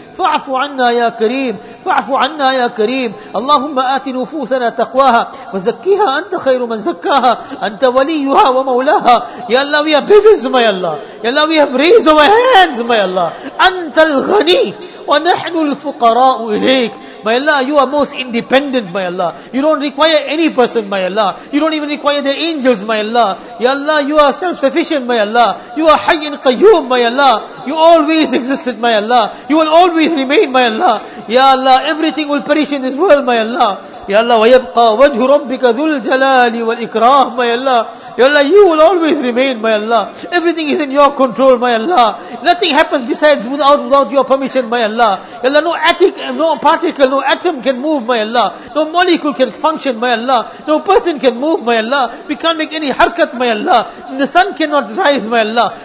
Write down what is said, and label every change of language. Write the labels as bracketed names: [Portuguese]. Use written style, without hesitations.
[Arabic] فاعفو عنا يا كريم فاعفو عنا يا كريم اللهم آت نفوسنا تقواها وزكيها أنت خير من زكاها أنت وليها ومولاها يا الله [English] we are biggest my Allah [Arabic] يا الله [English] we have raised our hands my Allah [Arabic] أنت الغني ونحن الفقراء إليك [English] My Allah, you are most independent, my Allah. You don't require any person, my Allah. You don't even require the angels, my Allah. Ya Allah, you are self-sufficient, my Allah. You are Hayy and Qayyum, my Allah. You always existed, my Allah. You will always remain, my Allah. Ya Allah, everything will perish in this world, my Allah. [Arabic] Ya Allah, وَيَبْقَى وَجْهُ رَبِّكَ ذُو الْجَلَالِ وَالْإِكْرَامِ My Allah. [English] Ya Allah, you will always remain, my Allah. Everything is in your control, my Allah. Nothing happens besides without your permission, my Allah. Ya Allah, no attic, no particle. No atom can move, my Allah. No molecule can function, my Allah. No person can move, my Allah. We can't make any harkat, my Allah. The sun cannot rise, my Allah.